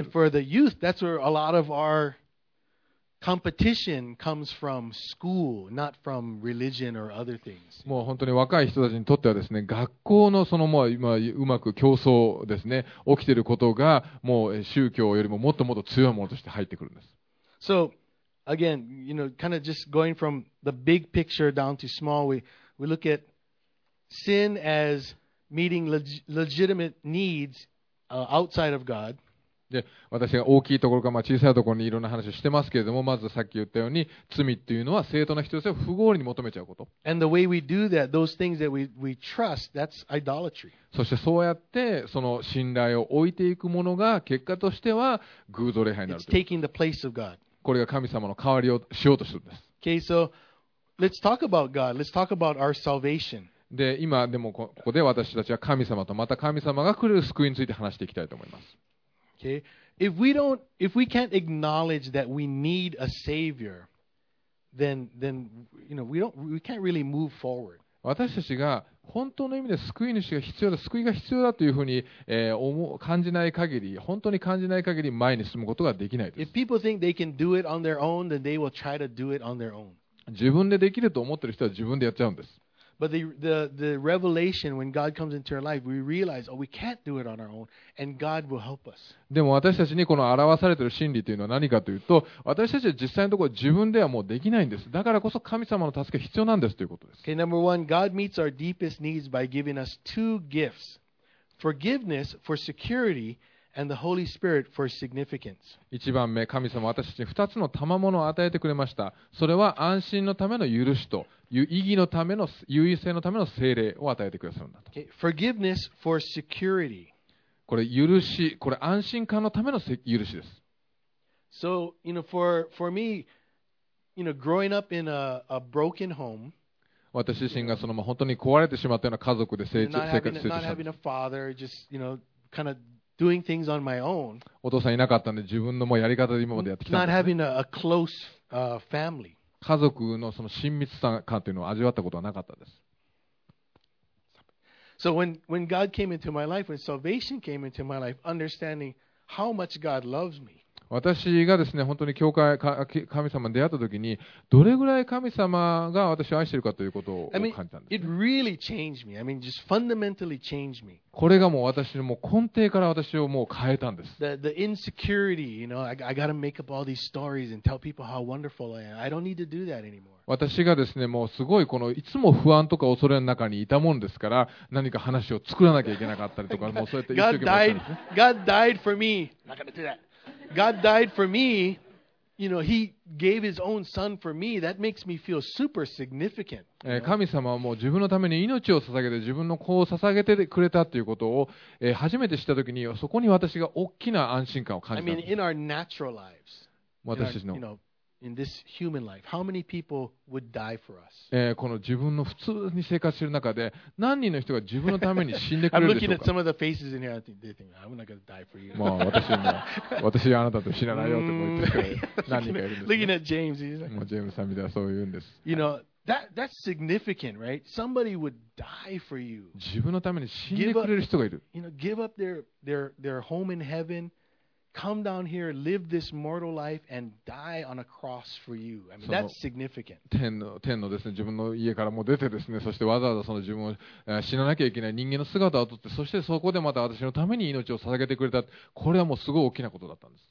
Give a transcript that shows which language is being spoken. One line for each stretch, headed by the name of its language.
English: And for the youth, that's where a lot of our competition comes from school, not from religion or other things.
Japanese: もう本当に若い人たちにとってはですね、学校のそのもう今うまく競争ですね、起きていることがもう宗教よりももっともっと強いものとして入ってくるんです。
English: So, again, you know, kind of just going from the big picture down to small, we look at sin as meeting legitimate needs outside of God.
Japanese: で私が大きいところか、まあ、小さいところにいろんな話をしてますけれども、まずさっき言ったように罪っていうのは正当な必要性を不合理に求めちゃうこと。
English: And the way we do that, those things that we trust, that's idolatry.
Japanese: そしてそうやってその信頼を置いていくものが結果としては偶像礼拝になる。
English: It's taking the place of God.
Japanese: これが神様の代わりをしようとするんです。
English: Okay, so let's talk about God. Let's talk about our salvation.
Japanese: で今でもここで私たちは神様とまた神様が来る救いについて話していきたいと思います。
English: Okay. If we don't, if we can't acknowledge that we need a savior, then you know, we can't really move forward.
Japanese: 私たちが本当の意味で救い主が必要だ、救いが必要だというふうに、感じない限り、本当に感じない限り前に進むことができないです。
English: If people think they can do it on their own, then they will try to do it on their own.
Japanese: 自分でできると思っている人は自分でやっちゃうんです。
English: But the revelation when God comes into our life, we realize, oh, we can't do it on our own, and God will help us.
Japanese: でも私たちにこの表されている真理というのは何かというと、私たちは実際のところ自分ではもうできないんです。だからこそ神様の助け必要なんですということです。
English: Okay, number one, God meets our deepest needs by giving us two gifts: forgiveness for security. And the Holy Spirit for significance.
Japanese: 一番目、神様は私たちに二つの賜物を与えてくれました。それは安心のための許しと、意義のための、優位性のための聖霊を与えてくださるんだと。
English: Okay. Forgiveness for security.
Japanese: これ許し、これ安心感のための許しです。
English: So, you know, for me, you know, growing up in a broken home,
Japanese: 私自身がその本当に壊れてしまったような家族で生活してきました。
English: Not having a father, just, you know, kind of,Doing things on my own.
Japanese: お父さんいなかったんで自分のもうやり方で今までやってきたんです、ね、
English: Not having a close, family.
Japanese: 家族 の, その親密さ感というのを味わったことはなかったです。
English: So when God came into my life, when salvation came into my life, understanding how much God loves me.
Japanese: 私がですね本当に教会神様に出会った時にどれぐらい神様が私を愛しているかということを感じたんです、ね。
English: It really changed me. I mean, just fundamentally changed me.
Japanese: これがもう私のもう根底から私をもう変えたんです。
English: The insecurity, you know, I gotta make up all these stories and tell people how wonderful I am. I don't need to do that anymore.
Japanese: 私がですね、もうすごいこのいつも不安とか恐れの中にいたもんですから、何か話を作らなきゃいけなかったりとか、もうそうやって言っておけばいいんですね。
English: God died for me. I'm not gonna do that. God died for me. You know, He gave His own Son for me. That makes me feel super significant.
Japanese: 神様はもう自分のために命を捧げて自分の子を捧げてくれたということを初めて知ったときにそこに私が大きな安心感を感じた。
English: I mean, in our natural lives,
Japanese: 私たちの、
English: you know, in this human life, how many people would die for us?
Japanese: この自分の普通に生活している中で何人の人が自分のために死んでくれるでしょうか。
English: I'm looking at some of the faces in here. I think they think I'm not going to die for you.
Japanese: まあ私はあなたと死なないよって言ってくれる。何人かいるんです、ね。
English: Looking at James, he's like,
Japanese: もうジェームスさんみたいなそう言うんです。
English: You know. That's significant, right? Somebody would die for you.
Japanese: 自分のために死んでくれる人がいる。
English: You know, give up their home in heaven, come down here, live this mortal life, and die on a cross for you. I mean, that's significant.
Japanese: 天のですね、自分の家からも出てですね、そしてわざわざその自分を死ななきゃいけない人間の姿をとって、そしてそこでまた私のために命を捧げてくれた。これはもうすごい大きなことだったんです。